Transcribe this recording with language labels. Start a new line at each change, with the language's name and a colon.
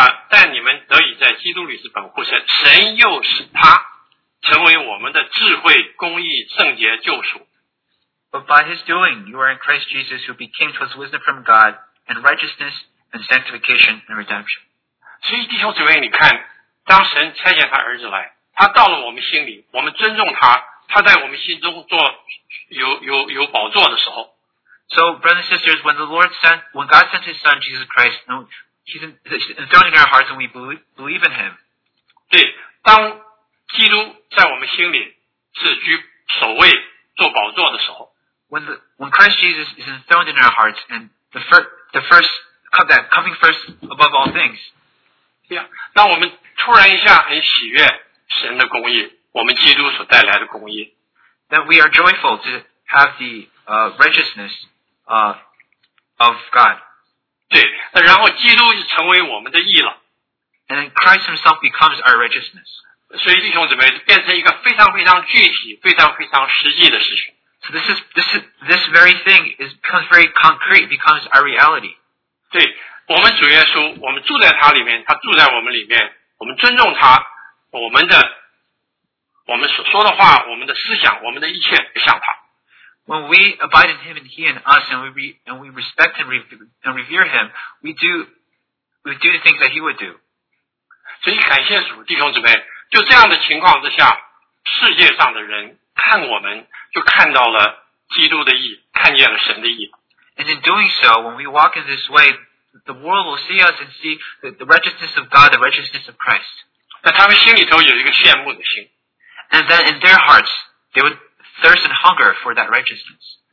Chinese: 但你们得以在基督里是本乎神，神又使他成为我们的智慧、公义、圣洁、救赎。
English: But by his doing, you are in Christ Jesus who became to us wisdom from God and righteousness and sanctification and redemption.
Chinese: 所以弟兄姊妹，你看，当神差遣他儿子来，他到了我们心里，我们尊重他，他在我们心中做有宝座的时候。
English: So, brothers and sisters, when God sent his son, Jesus Christ, he's enthroned in our hearts and we believe in him.
Chinese: 对，当基督在我们心里是居首位做宝座的时候。
English: When Christ Jesus is enthroned in our hearts and the first coming above all things.
Chinese: Yeah, 那我们突然一下很喜悦神的公义，我们基督所带来的公义。
English: That we are joyful to have the righteousness of God.
Chinese: 对，然后基督就成为我们的义了。
English: And Christ himself becomes our righteousness.
Chinese: 所以弟兄姊妹，变成一个非常非常具体、非常非常实际的事情。
English: So this very thing becomes very concrete, becomes our reality.
Chinese: 对，我们主耶稣，我们住在他里面，他住在我们里面，我们尊重他，我们所说的话，我们的思想，我们的一切像他。
English: When we abide in him and he in us, and we respect him and revere him, we do the things that he would do.
Chinese: 所以感谢主，弟兄姊妹，就这样的情况之下，世界上的人看我们就看到了基督的义，看见了神的义。
English: And in doing so, when we walk in this way, the world will see us and see the righteousness of God, the righteousness of Christ.
Chinese: 那他们心里头有一个羡慕的心。
English: And then in their hearts, they would thirst and hunger for that righteousness.